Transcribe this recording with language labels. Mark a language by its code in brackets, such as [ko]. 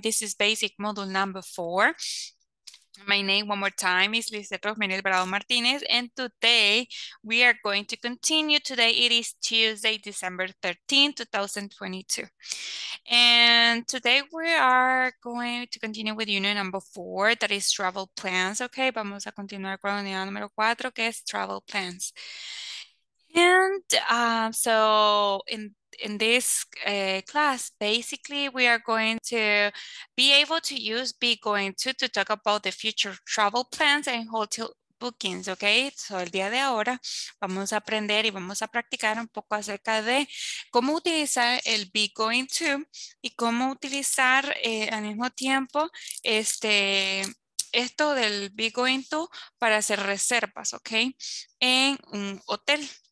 [en] This is basic module number 4. My name, one more time, is Lizeth Rosmenel Bravo Martinez. And today we are going to continue. Today it is Tuesday, December 13, 2022. And today we are going to continue with unit number 4, that is travel plans. [es] Okay, vamos a continuar con la unidad número 4, que es travel plans. [en] And so in this class, basically, we are going to be able to use be going to talk about the future travel plans and hotel bookings, okay? [es] So el día de ahora vamos a aprender y vamos a practicar un poco acerca de cómo utilizar el be going to y cómo utilizar al mismo tiempo esto del be going to para hacer reservas, okay, en un hotel.